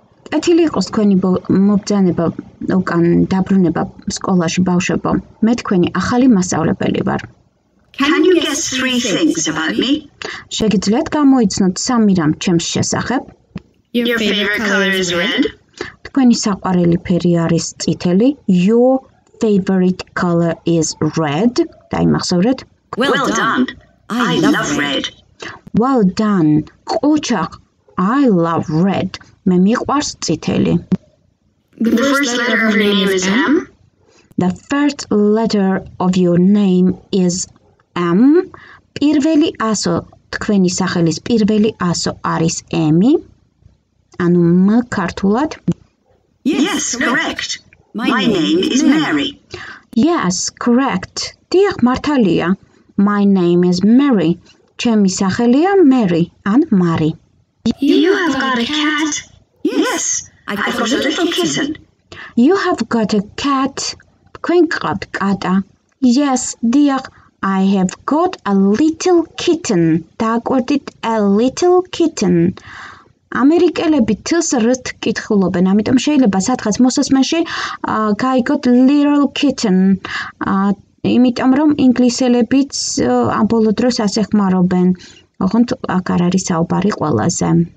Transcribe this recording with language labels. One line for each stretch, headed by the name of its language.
Georgian: კეთილი იყოს თქვენი მობრძანება უკან დაბრუნება სკოლაში ბავშვებო. მე თქვენი ახალი მასწავლებელი ვარ.
English: Can you guess 3 things about me?
Georgian: შეგიძლიათ გამოიცნოთ სამი რამ ჩემს შესახებ?
English: Your favorite color is red.
Georgian: თქვენი საყვარელი ფერი არის წითელი.
English: Your favorite color is red.
Georgian: დაიმახსოვრეთ.
English: Well done. I love red. Well done. ყუჩაყ. I love red.
Georgian: მე მიყვარს წითელი.
English: The first letter of your name is M. The first letter of your name is M.
Georgian: პირველი ასო თქვენი სახელის პირველი ასო არის M. ანუ M ქართულად.
English: Yes, correct. My name is Mary. Yes, correct.
Georgian: დიახ, მართალია.
English: My name is Mary.
Georgian: ჩემი სახელია Mary, ან Mary.
English: You have got a cat? Yes, I've got a little kitten. You have got a cat.
Georgian: თქვენ გყავთ კატა?
English: Yes, dear, I have got a little kitten.
Georgian: დააკვირდით
English: a little kitten.
Georgian: ამერიკელები თ-ს რ-ს კითხულობენ, ამიტომ შეიძლება სადღაც მოსასმენში გაიგოთ
English: little kitten.
Georgian: იმიტომ რომ ინგლისელებიც ამ ბოლო დროს ასე ხმარობენ. ოღონდ აქ არ არის საუბარი ყველაზე.